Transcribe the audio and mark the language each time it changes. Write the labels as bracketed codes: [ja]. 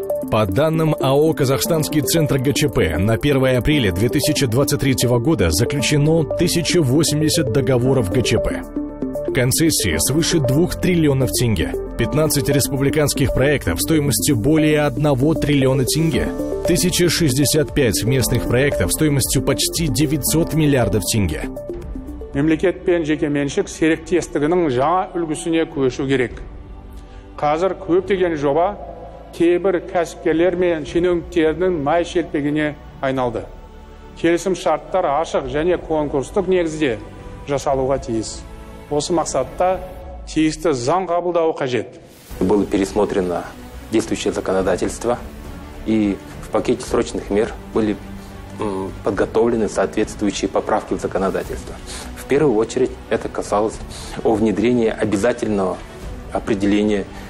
[ru] По данным АО «Казахстанский центр ГЧП», на 1 апреля 2023 года заключено 1080 договоров ГЧП. Концессии свыше 2 триллионов тенге, 15 республиканских проектов стоимостью более 1 триллиона тенге, 1065 местных проектов стоимостью почти 900 миллиардов тенге. [kk] Мемлекет пен жеке меншик серектестігінің жаңа үлгісіне көшу керек. Қазір көптеген жоба кейбір кәсіпкерлер мен шенеуніктердің май шелпегіне айналды. Келісім шарттар ашық және конкурстық негізде жасалуға тиіс. Осы мақсатта тиісті заң қабылдауы қажет. [ru] Было пересмотрено действующее законодательство, и в пакете срочных мер были подготовлены соответствующие поправки в законодательство. В первую очередь это касалось о внедрении обязательного определения